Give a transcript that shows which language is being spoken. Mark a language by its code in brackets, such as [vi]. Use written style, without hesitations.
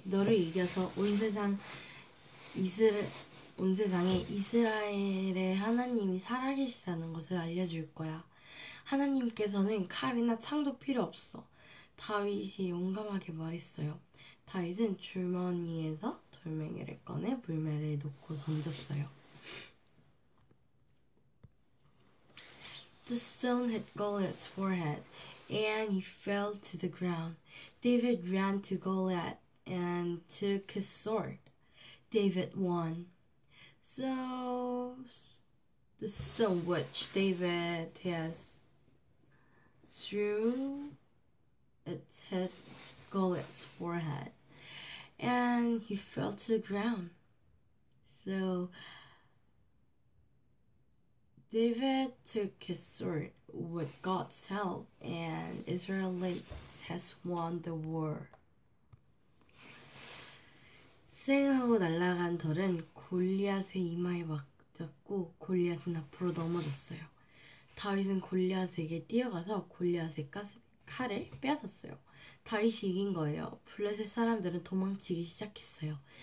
[ko] 너를 이겨서 온 세상에 이스라엘의 하나님이 살아계시다는 것을 알려줄 거야. 하나님께서는 칼이나 창도 필요 없어. 다윗이 용감하게 말했어요. 다윗은 줄무늬에서 돌멩이를 꺼내 물매를 놓고 던졌어요. [en] The stone hit Goliath's forehead, and he fell to the ground. David ran to Goliath and took his sword. David won. So, the stone which David has threw, it hit Goliath's forehead, and he fell to the ground. So, David took his sword with God's help, and Israelites has won the war. [ko] 생하고 날아간 돌은 골리앗의 이마에 맞았고 골리앗은 앞으로 넘어졌어요. 다윗은 골리앗에게 뛰어가서 골리앗의 칼을 빼앗았어요. 다윗이 이긴 거예요. 블레셋 사람들은 도망치기 시작했어요.